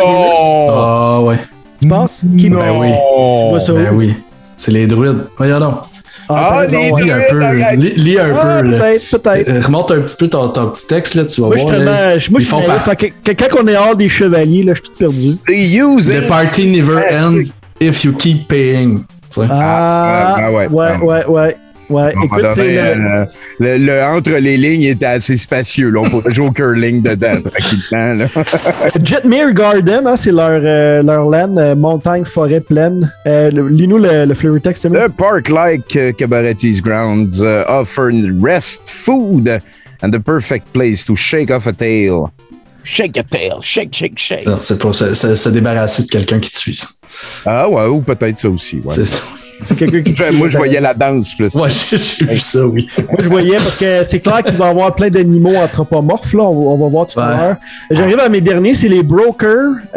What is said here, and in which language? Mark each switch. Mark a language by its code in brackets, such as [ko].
[fr] Ah ouais. Tu penses qu'ils meurent? Ben oui. C'est les druides. Regarde donc. Lis un peu, peut-être. Remonte un petit peu ton petit texte, là, tu vas moi, voir. Quand on est hors des chevaliers, là, je suis tout perdu. [en] The party never ends if you keep paying. [fr] Écoute, entre les lignes est assez spacieux. Là, on pourrait jouer au curling dedans, tranquillement. <là. rire> Jetmere Garden, hein, c'est leur land, montagne, forêt, plaine. Lis-nous le flavor text. [en] The park-like cabaretti's grounds offer rest, food, and the perfect place to shake off a tail. Shake your tail, shake, shake, shake. [fr] Non, c'est pour se débarrasser de quelqu'un qui te suit. Ah ouais, ou peut-être ça aussi. Ouais. C'est ça. C'est quelqu'un qui fait. Moi, je voyais la danse plus. Moi, j'ai vu ça, oui. Moi, je voyais parce que c'est clair qu'il va y avoir plein d'animaux anthropomorphes. Là. On va voir tout à l'heure. J'arrive à mes derniers, c'est les brokers.